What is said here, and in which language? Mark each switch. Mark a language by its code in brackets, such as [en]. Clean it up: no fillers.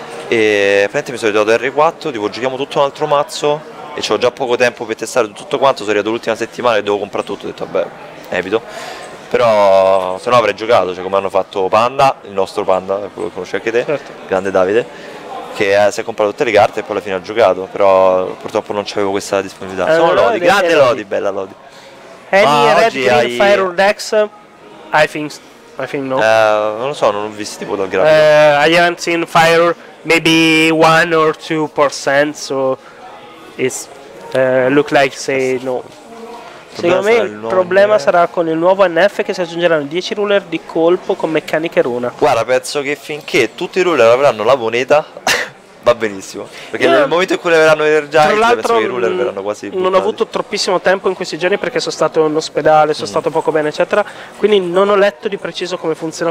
[it] E praticamente mi sono ritrovato R4, tipo giochiamo tutto un altro mazzo e c'ho già poco tempo per testare tutto quanto, sono arrivato l'ultima settimana e devo comprare tutto, ho detto vabbè, evito. Però se no avrei giocato, cioè come hanno fatto Panda, il nostro Panda, quello che conosci anche te, certo, grande Davide, che si è comprato tutte le carte e poi alla fine ha giocato, però purtroppo non c'avevo questa disponibilità. Allora, sono Lodi, grande Lodi, bella Lodi. [en] Any Red Green Fire Dex, I think no. [it] Non lo so, non ho visto tipo dal grafico. [en] I haven't seen Fire maybe 1 or 2%, so it's look like say no. [it] Secondo me il problema sarà con il nuovo NF, che si aggiungeranno 10 ruler di colpo con meccaniche runa. Guarda, penso che finché tutti i ruler avranno la moneta va benissimo, perché nel momento in cui avranno energia, penso che i ruler verranno quasi buttati. Non ho avuto troppissimo tempo in questi giorni perché sono stato in ospedale, sono stato poco bene eccetera, quindi non ho letto di preciso come funziona